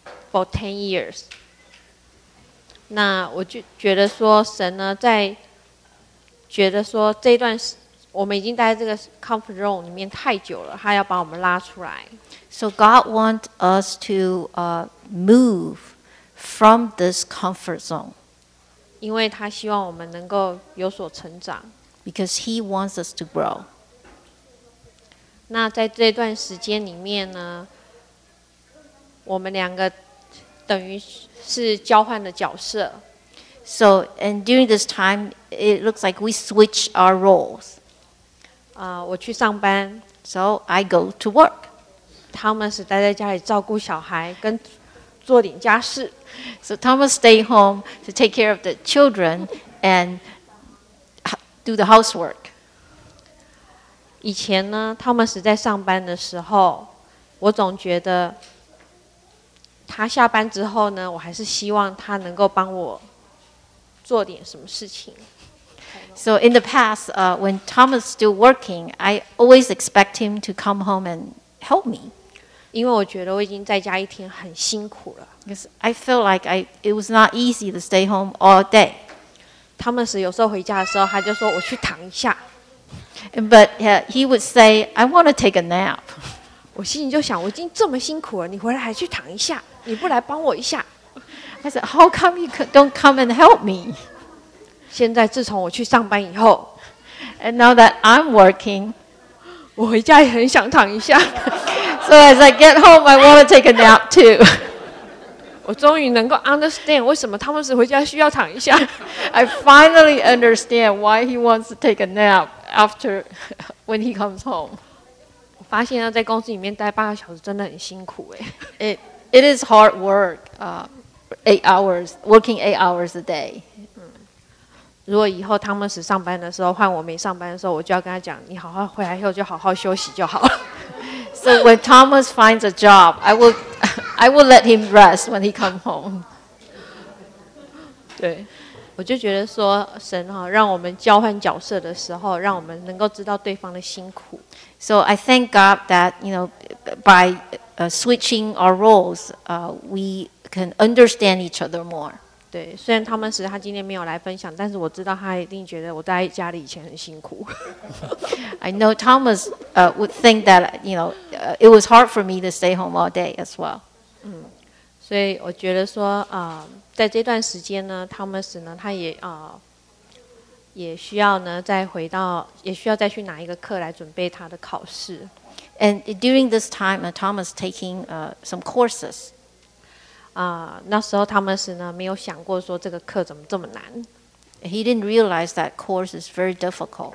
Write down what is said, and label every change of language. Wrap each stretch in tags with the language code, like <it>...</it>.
<en>for 10 years，</en> <zh>那我就觉得说神呢，在觉得说这段时。我们已经待在这个 comfort zone 里面太久了，他要把我们拉出来。</zh> <en>So God wants us to move from this comfort zone，</en> <zh>因为他希望我们能够有所成长。</zh> <en>Because He wants us to grow。</en> <zh>那在这段时间里面呢，我们两个等于是交换的角色。</zh> <en>So and during this time, it looks like we switch our roles。</en> <zh>我去上班</zh> <en>，so I go to work.</en> <zh>Thomas 待在家里照顾小孩跟做点家事</zh> <en>，so Thomas stay home to take care of the children and do the housework.</en> <zh>以前呢 ，Thomas 在上班的时候，我总觉得他下班之后呢，我还是希望他能够帮我做点什么事情。</zh> <en>So in the past, when Thomas is still working, I always expect him to come home and help me. Because I feel like it was not easy to stay home all day.</en> <zh>Thomas 有时候回家的时候，他就说我去躺一下。</zh> <en>But he would say, I want to take a nap.</en> <zh>我心里就想，我已经这么辛苦了，你回来还去躺一下，你不来帮我一下。</zh> <en>I said, how come you don't come and help me?</en> <zh>现在自从我去上班以后</zh> <en>，and now that I'm working，</en> <zh>我回家也很想躺一下。</zh> <en>So as I get home, I want to take a nap too.</en> <zh>我终于能够</zh> <en>understand</en> <zh>为什么Thomas回家需要躺一下。</zh> <en>I finally understand why he wants to take a nap after when he comes home.</en> <zh>我发现在公司里面待八个小时真的很辛苦耶。</zh> <en>It is hard work, working eight hours a day.</en> <zh>如果以后Thomas上班的时候，换我没上班的时候，我就要跟他讲，你好好回来以后就好好休息就好了。</zh> <en>So when Thomas finds a job, I will let him rest when he comes home.</en> <zh>对。我就觉得说神哈，让我们交换角色的时候，让我们能够知道对方的辛苦。</zh> <en>So I thank God that, you know, by switching our roles, we can understand each other more.</en> <zh>对，虽然Thomas他今天没有来分享，但是我知道他一定觉得我在家里以前很辛苦。</zh> <en>I know Thomas would think that, you know, it was hard for me to stay home all day as well. 嗯，</en> <zh>所以我觉得说在这段时间呢 ，Thomas 呢，他也也需要呢，再回到，也需要再去拿一个课来准备他的考试。</zh> <en>And during this time, Thomas taking some courses.</en> <zh>那时候 Thomas 呢，没有想过说这个课怎么这么难。</zh> <en>He didn't realize that course is very difficult.</en>